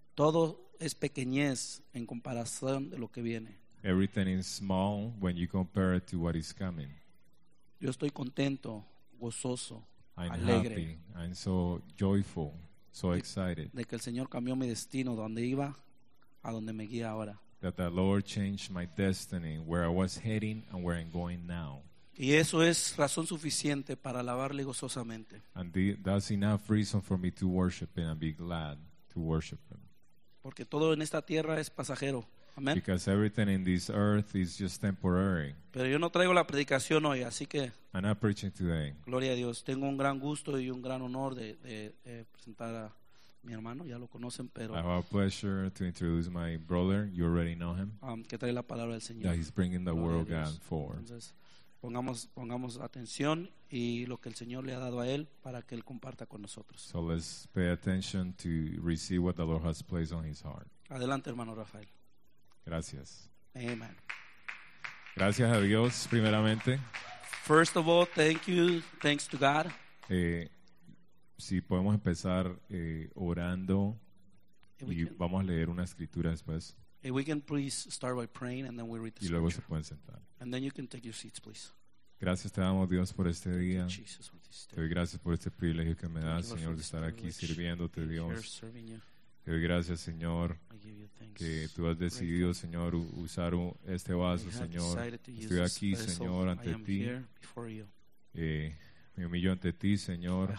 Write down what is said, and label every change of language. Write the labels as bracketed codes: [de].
[es] Todo es pequeñez en comparación de lo que viene. [en] Everything is small when you compare it to what is coming. [es] Yo estoy contento, gozoso, [en] I'm [es] alegre. [en] Happy. I'm so joyful, so excited. [es] De que el Señor cambió mi destino, donde iba, a donde me guía ahora. [en] That the Lord changed my destiny, where I was heading and where I'm going now. [es] Y eso es razón suficiente para alabarle gozosamente. [en] And that's enough reason for me to worship Him and be glad to worship Him. [es] Porque todo en esta tierra es pasajero. Amen. [en] Because everything in this earth is just temporary. [es] Pero yo no traigo la predicación hoy, así que. [en] I'm not preaching today. [es] Gloria a Dios. Tengo un gran gusto y un gran honor de presentar a mi hermano. Ya lo conocen, pero. [en] I have a pleasure to introduce my brother. You already know him. [es] Que trae la palabra del Señor. [en] That he's bringing the [es] Gloria [en] word God forward. [es] Entonces, pongamos atención y lo que el Señor le ha dado a él para que él comparta con nosotros. [en] So let's pay attention to receive what the Lord has placed on his heart. [es] Adelante, hermano Rafael. Gracias. Amen. Gracias a Dios, primeramente. [en] First of all, thank you. Thanks to God. [es] Si podemos empezar orando, y vamos a leer una escritura después. [en] If we can please start by praying and then we read the [es] y luego se pueden sentar. [en] And then you can take your seats, please. [es] Gracias te damos Dios por este [en] thank [es] día. Jesus, te doy gracias por este privilegio que me das, Señor, de estar aquí sirviéndote, Dios. Te doy gracias, Señor, que tú has decidido, Señor, usar este vaso, Señor. Estoy aquí, Señor, ante ti. Me humillo ante ti, Señor.